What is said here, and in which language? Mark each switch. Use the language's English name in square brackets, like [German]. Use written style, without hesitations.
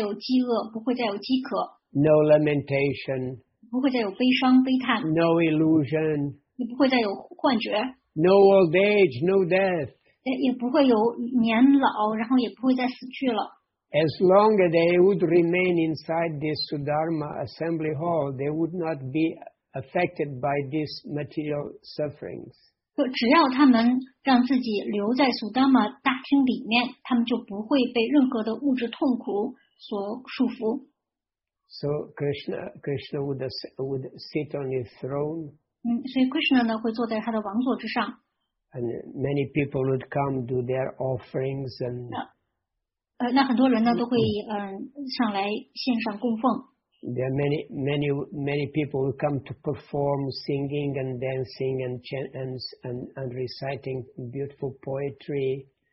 [Chinese] 不会再有饥饿，不会再有饥渴。 [English] No lamentation. [Chinese] 不会再有悲伤悲叹。 [English] No illusion. [Chinese] 也不会再有幻觉。 [English] No old age, no death. [Chinese] 也不会有年老，然后也不会再死去了。 [English] As long as they would remain inside this Sudharma assembly hall, they would not be affected by these material sufferings. [Chinese] 只要他们让自己留在苏达玛大厅里面，他们就不会被任何的物质痛苦所束缚。 [English] So Krishna would sit on his throne. [Chinese] 所以 Krishna 呢会坐在他的王座之上。 [English] And many people would come do their offerings and. [Chinese] 那很多人呢都会上来献上供奉。 [English] There are many people who come to perform singing and dancing and reciting beautiful poetry.